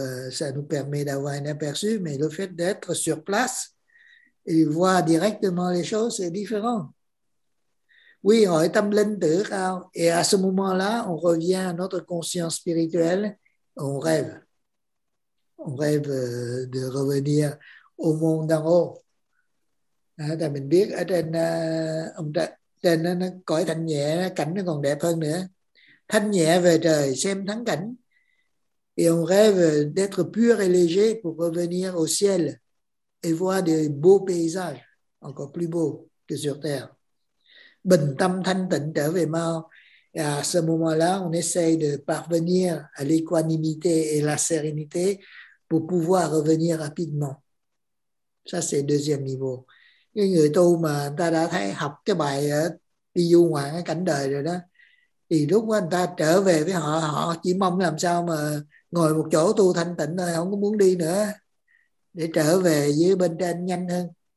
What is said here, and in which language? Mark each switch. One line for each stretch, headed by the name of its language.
French: Ça nous permet d'avoir un aperçu, mais le fait d'être sur place et voir directement les choses, c'est différent. Oui, on est en pleine terre, et à ce moment-là, on revient à notre conscience spirituelle, on rêve. On rêve de revenir au monde d'en haut.
Vietnamese: Tại mình biết ở trên ông trên nó cõi thanh nhẹ, cảnh nó còn đẹp hơn nữa. Thanh nhẹ về trời xem thắng cảnh.
French: Et on rêve d'être pur et léger pour revenir au ciel et voir des beaux paysages encore plus beaux que sur terre.
Vietnamese: Bình tâm thanh tịnh trở về mau.
French: Et à ce moment-là, on essaye de parvenir à l'équanimité et la sérénité pour pouvoir revenir rapidement. Ça c'est deuxième niveau.
Vietnamese: Những người tu mà ta đã thấy học cái bài đi du ngoạn ở cảnh đời rồi đó, thì lúc đó người ta trở về với họ, họ chỉ mong làm sao mà ngồi một chỗ tu thanh tịnh thôi, không có muốn đi nữa, để trở về dưới bên trên nhanh hơn.